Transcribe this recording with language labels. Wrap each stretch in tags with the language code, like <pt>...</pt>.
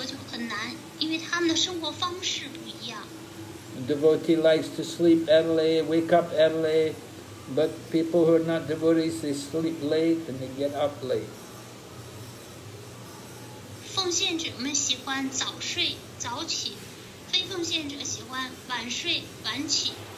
<zh>因为他们吃的不一样，他们活动又不一样，所以共同生活就很难，因为他们的生活方式不一样。</zh> <en>A devotee likes to sleep early, wake up early, but people who are not devotees, they sleep late and they get up late.</en> <zh>奉献者们喜欢早睡早起，非奉献者喜欢晚睡晚起。</zh>